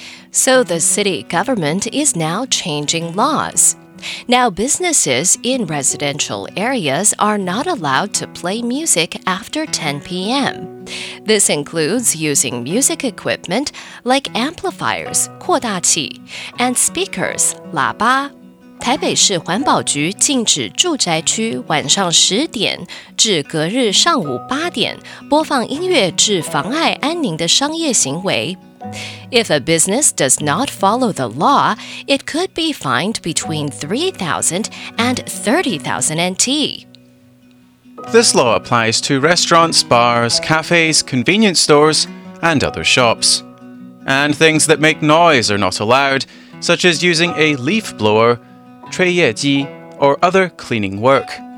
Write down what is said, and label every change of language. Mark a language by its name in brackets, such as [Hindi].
[English] So the city government is now changing laws. Now businesses in residential areas are not allowed to play music after 10 p.m. This includes using music equipment like amplifiers, 扩大器, and speakers, 喇叭. [Chinese] 台北市环保局禁止住宅区晚上十点至隔日上午八点播放音乐致妨碍安宁的商业行为。 [English] If a business does not follow the law, it could be fined between 3,000 and 30,000 NT. This law applies to restaurants, bars, cafes, convenience stores, and other shops. And things that make noise are not allowed, such as using a leaf blower, 吹叶机, or other cleaning work.